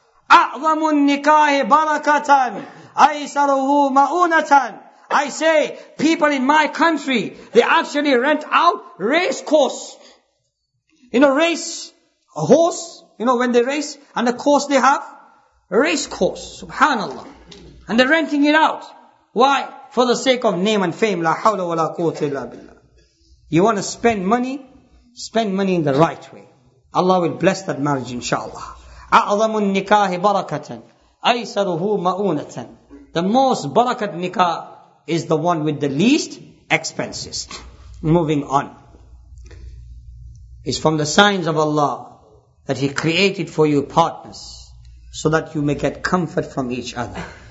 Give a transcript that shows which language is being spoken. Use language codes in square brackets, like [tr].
[ar] أَعْظَمُ النِّكَاهِ بَرَكَةً أَيْسَرُهُ مَؤُونَةً. [en] I say, people in my country, they actually rent out race course. You know, race, a horse, you know, when they race, and the course they have, race course, subhanallah. And they're renting it out. Why? For the sake of name and fame. [ar] لَا حَوْلَ وَلَا قُوتَ إِلَّا بِاللَّهِ. [en] You want to spend money? Spend money in the right way. Allah will bless that marriage, inshallah. [ar] أعظم النكاح بركة أيسره مؤونة. [en] The most barakat nikah is the one with the least expenses. Moving on. It's from the signs of Allah that He created for you partners so that you may get comfort from each other.